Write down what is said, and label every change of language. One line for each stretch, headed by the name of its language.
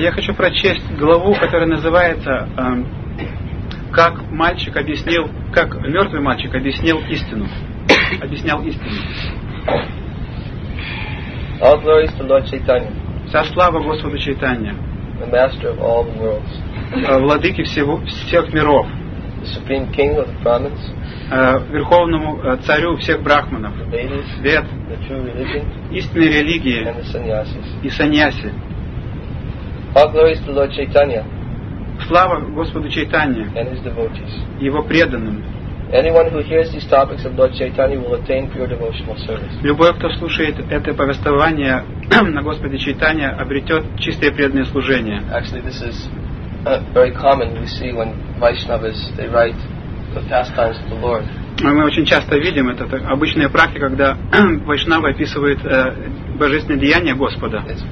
Russian: Я хочу прочесть главу, которая называется "Как мальчик объяснил, как мертвый мальчик объяснил истину, объяснял истину."
English: All glory to Lord Chaitanya.
Russian: Вся слава Господу Чайтанья.
English: The master of all the worlds.
Russian: Владыки всех миров.
English: the supreme king of the Brahmins,
Russian: верховному царю всех брахманов, свет, истинной религии и саньяси.
English: All glory to Lord Chaitanya.
Russian: Слава Господу Чайтанье и его преданным.
English: Anyone who hears these topics of Lord Chaitanya will attain pure devotional service.
Russian: Любой, кто слушает это повествование на Господе Чайтанье, обретет чистое преданное служение.
English: Actually, this is very common. We see when Vaishnavas they write the pastimes of the Lord.
Russian: Мы очень часто видим это, это обычная практика, когда Вайшнава описывает божественные деяния Господа.